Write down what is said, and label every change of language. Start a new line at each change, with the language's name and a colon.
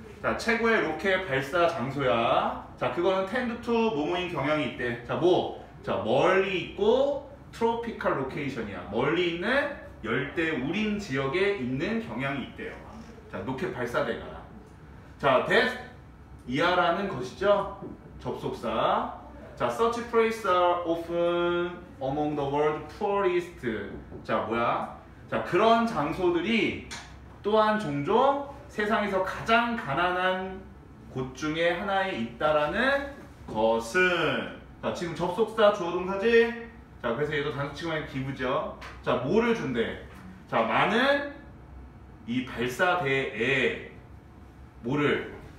Korean: 자, 최고의 로켓 발사 장소야. 자, 그거는 텐드투 모모인 경향이 있대. 자, 뭐? 자, 멀리 있고 트로피컬 로케이션이야. 멀리 있는 열대 우림 지역에 있는 경향이 있대요. 자, 로켓 발사대가. 자, 데스 이하라는 것이죠. 접속사. 자,
English: such places are often among the world's poorest.
Korean: 자, 뭐야? 자, 그런 장소들이 또한 종종 세상에서 가장 가난한 곳 중에 하나에 있다라는 것은. 자, 지금 접속사 주어 동사지? 자, 그래서 얘도 단수치만의 기부죠. 자, 뭐를 준대? 자, 많은 이 발사대에 뭐를?